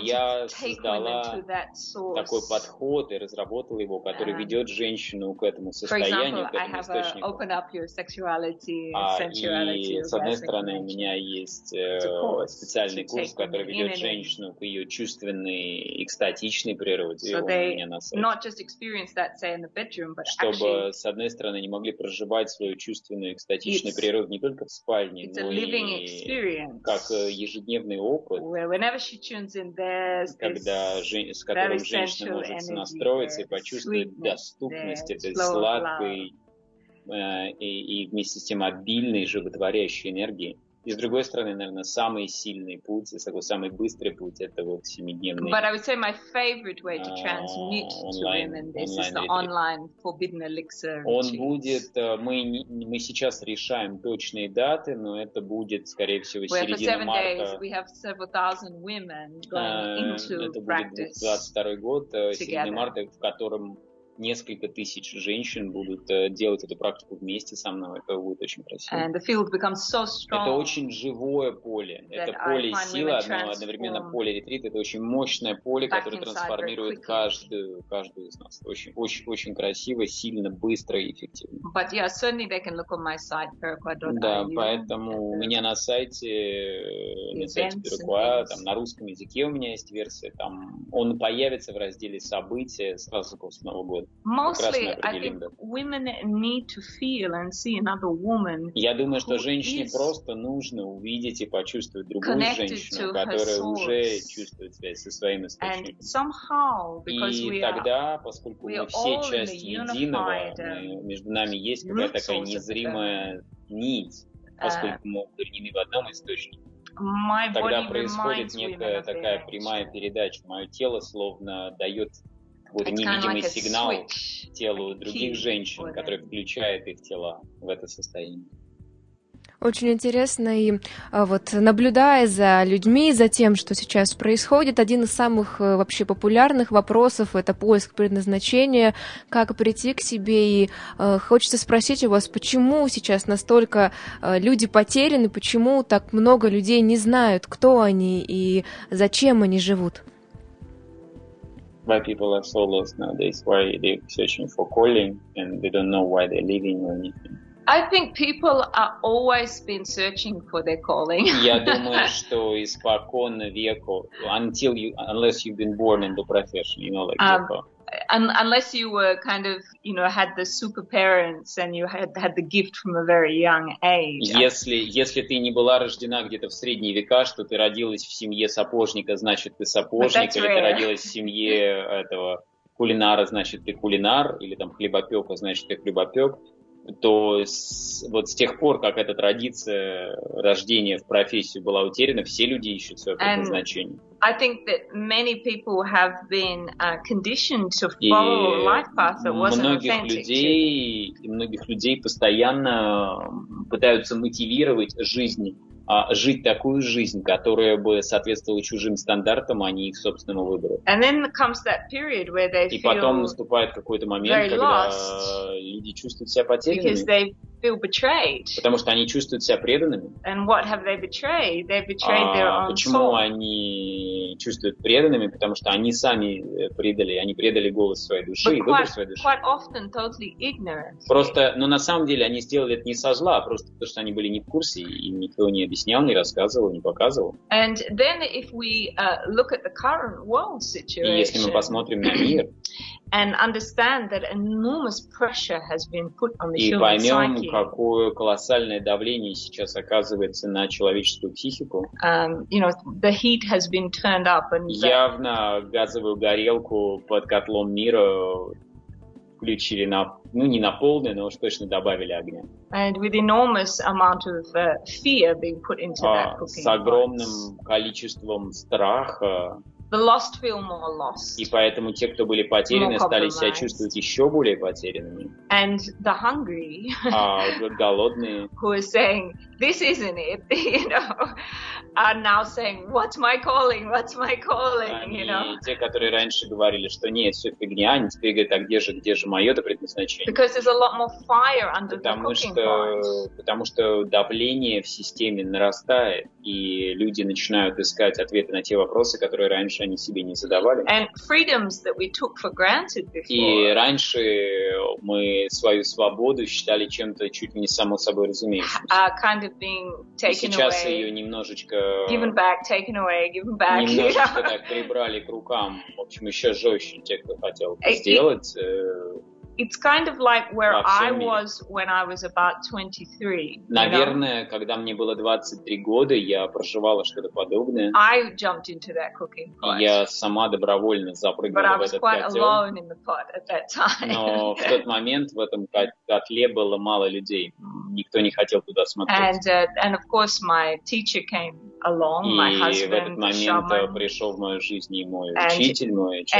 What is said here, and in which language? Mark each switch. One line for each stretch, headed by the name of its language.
Russian: я создала такой подход и разработала его, который ведет женщину к этому состоянию,
English: example,
Russian: к этому источнику.
English: Open up your sexuality,
Russian: с одной стороны, у меня есть специальный курс, который ведет женщину к ее чувственной, экстатичной природе.
English: So they not that, say, in the bedroom, but
Russian: чтобы,
English: actually,
Russian: с одной стороны, не могли проживать свою чувственную, экстатичную природу не только в спальне, но и как ежедневный опыт.
English: Whenever she tunes in, there's this very sensual energy, the sweetness, the flow of love,
Russian: и вместе с тем обильной, животворящей энергии. И с другой стороны, наверное, самый сильный путь, самый быстрый путь — это вот семидневный.
English: But I would say my favorite way to transmute to women this is the online forbidden elixir.
Russian: Он будет, мы сейчас решаем точные даты, но это будет, скорее всего, середина марта.
English: For 7 days we have several thousand women going into practice.
Russian: Это будет 22-й год, середина марта, в котором несколько тысяч женщин будут делать эту практику вместе со мной. Это будет очень красиво.
English: And the field becomes so strong.
Russian: Это очень живое поле. Это поле силы, одновременно поле ретрит. Это очень мощное поле, которое трансформирует каждую из нас. Очень, очень, очень красиво, сильно, быстро и эффективно.
English: But yeah, certainly they can look on my site, perikwa.ru.
Russian: Да, поэтому у меня на сайте Perikwa, там на русском языке у меня есть версия. Там он появится в разделе события сразу после Нового года.
English: Mostly, I think women need to feel and see another woman.
Russian: Я думаю, что женщине просто нужно увидеть и почувствовать другую женщину, которая уже чувствует связь со своим источником. И тогда, поскольку мы все части единого, между нами есть какая-то такая незримая нить, поскольку мы объединены в одном источнике. Тогда происходит некая такая прямая передача. Мое тело словно дает вот невидимый сигнал телу других женщин, который включает их тела в это состояние. Очень интересно, и вот наблюдая за людьми, за тем, что сейчас происходит, один из самых вообще популярных вопросов – это поиск предназначения, как прийти к себе, и хочется спросить у вас, почему сейчас настолько люди потеряны, почему так много людей не знают, кто они и зачем они живут?
English: Why people are so lost nowadays? Why they're searching for calling and they don't know why they're living or anything? I think people are always been searching for their calling.
Russian: Я думаю, что испокон веку,
English: unless you've been born in the profession, you know, like Unless you were kind of, you know, had the super parents and you had the gift from a very young age.
Russian: Если ты не была рождена где-то в средние века, что ты родилась в семье сапожника, значит ты сапожник, или ты родилась в семье этого кулинара, значит ты кулинар, или там хлебопека, значит ты хлебопек. То вот с тех пор, как эта традиция рождения в профессию была утеряна, все люди ищут свое предназначение.
English: I think that many people have been conditioned to follow a life path that wasn't authentic.
Russian: Многих людей постоянно пытаются мотивировать жить такую жизнь, которая бы соответствовала чужим стандартам, а не их собственному выбору.
English: And then comes that period where they feel
Russian: и потом наступает какой-то момент, когда люди чувствуют себя потерянными.
English: Because they feel betrayed.
Russian: Потому что они чувствуют себя преданными.
English: And what have they betrayed? They betrayed their own soul.
Russian: Почему они чувствуют преданными? Потому что они сами предали, они предали голос своей души и выбор своей души.
English: Quite often, totally ignorant.
Russian: Просто, но на самом деле они сделали это не со зла, а просто потому, что они были не в курсе, и никто не объяснял, не рассказывал, не показывал.
English: And then if we look at the current world situation,
Russian: и если мы посмотрим на мир,
English: and understand that enormous pressure has been put on the human psyche,
Russian: и поймем, какое колоссальное давление сейчас оказывается на человеческую психику,
English: you know, the heat has been turned up, and
Russian: явно газовую горелку под котлом мира включили на, ну не на полный, но уж точно добавили огня.
English: And with enormous amount of fear being put into that cooking.
Russian: С огромным количеством страха.
English: The lost feel more lost.
Russian: И поэтому те, кто были потеряны, стали себя чувствовать еще более потерянными.
English: And the hungry,
Russian: а голодные,
English: who are saying, this isn't it, you know, are now saying, what's my calling,
Russian: они,
English: you know.
Russian: И те, которые раньше говорили, что нет, все фигня, они теперь говорят, а где же мое-то предназначение?
English: Because there's a lot more fire under the cooking pot.
Russian: Потому что давление в системе нарастает, и люди начинают искать ответы на те вопросы, которые раньше они себе не задавали.
English: And freedoms that we took for granted before.
Russian: И раньше мы свою свободу считали чем-то чуть ли не само собой разумеющимся.
English: Kind of being taken
Russian: и сейчас
English: away,
Russian: ее немножечко
English: given back, taken away, given back,
Russian: немножечко,
English: you know?
Russian: Так прибрали к рукам. В общем, еще жестче те, кто хотел это сделать.
English: It's kind of like where I was when I was about 23.
Russian: Наверное,
English: you know?
Russian: Когда мне было 23 года, я проживала что-то подобное.
English: I jumped into that cooking pot.
Russian: Я сама добровольно запрыгнула в этот котел.
English: But I was quite alone in the pot at that time.
Russian: Но в тот момент в этом котле было мало людей. Никто не хотел туда смотреть.
English: And of course my teacher came along,
Russian: и
English: my husband,
Russian: в этот момент пришел в мою жизнь и мой учитель, мой учитель.